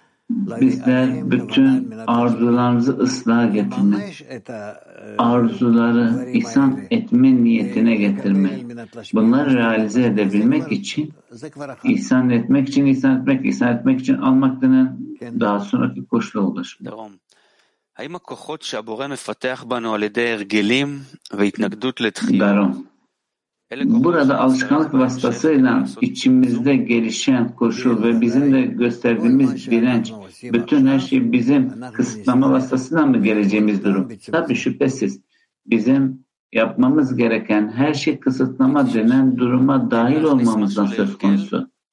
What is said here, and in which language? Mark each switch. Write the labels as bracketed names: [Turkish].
[Turkish] bizler bütün arzularımızı ıslah getirme, arzuları ihsan etme niyetine getirme, bunları realize edebilmek için ihsan etmek için ihsan etmek, ihsan etmek için almak denen daha sonraki koşulu olur. [Hebrew] האם הכוחות שהבורא מפתח בנו על ידי הרגלים והתנגדות לתחילה? [Turkish] Burada alışkanlık vasıtasıyla içimizde gelişen koşul ve bizim de gösterdiğimiz direnç, bütün her şey bizim kısıtlama vasıtasıyla mı geleceğimiz durum? Tabii şüphesiz bizim yapmamız gereken her şey kısıtlama denen duruma dahil olmamızdan söz konusu.